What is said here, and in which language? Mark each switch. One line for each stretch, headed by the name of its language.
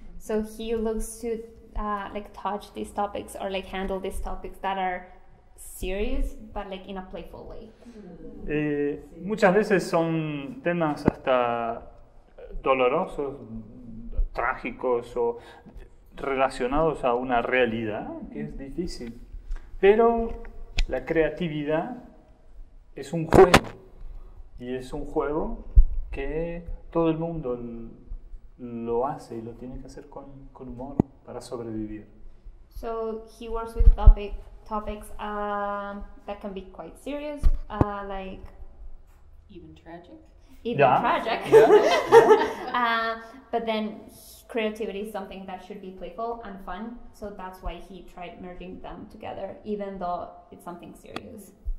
English: So he looks to like touch these topics or like handle these topics that are serious, but like in a playful way.
Spanish: Muchas veces son temas hasta dolorosos, trágicos o relacionados a una realidad que es difícil. Pero la creatividad es un juego. Y es un juego que todo el mundo lo hace y lo tiene que hacer con humor para sobrevivir.
English: So he works with topics that can be quite serious, like even tragic. Tragic. Yeah. But then creativity is something that should be playful and fun. So that's why he tried merging them together, even though it's something serious.